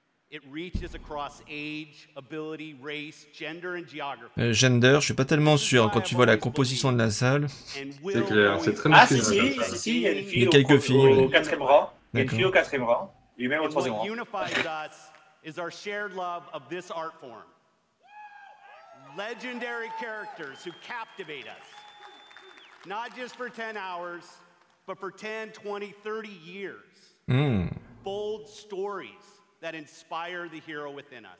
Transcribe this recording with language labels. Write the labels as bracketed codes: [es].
[en] It reaches across age, ability, race, gender and geography. [fr] Gender, je suis pas tellement sûr quand tu vois la composition de la salle. C'est clair, c'est très masculin. Ah si, il y a une fille au quatrième rang. D'accord. Il y a une fille au quatrième rang. Et même au troisième rang. [en] What unifies us is our shared love of this art form. Legendary characters who captivate us. Not just for 10 hours, but for 10, 20, 30 years. Bold stories that inspire the hero within us.